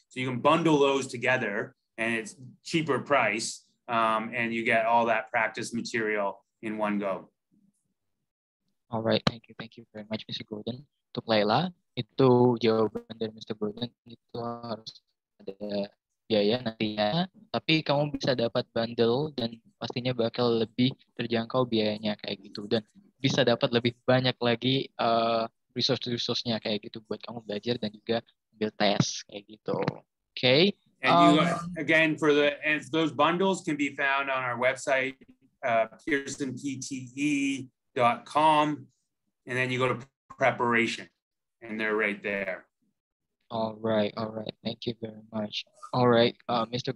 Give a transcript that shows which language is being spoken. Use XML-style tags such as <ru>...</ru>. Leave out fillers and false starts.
<en>So you can bundle those together and it's cheaper price, and you get all that practice material in one go. All right, thank you. Thank you very much, Mr. Gordon.</en> <id>Untuk Layla, itu jawaban dari Mr. Gordon, itu harus ada biaya nantinya. Tapi kamu bisa dapat bundle dan pastinya bakal lebih terjangkau biayanya kayak gitu. Dan bisa dapat lebih banyak lagi resource-resource-nya kayak gitu buat kamu belajar dan juga ambil tes kayak gitu.</id> <en>Okay. And you, again, for the, and those bundles can be found on our website, PearsonPTE.com, and then you go to preparation, and they're right there. All right, thank you very much. All right, Mr.</en>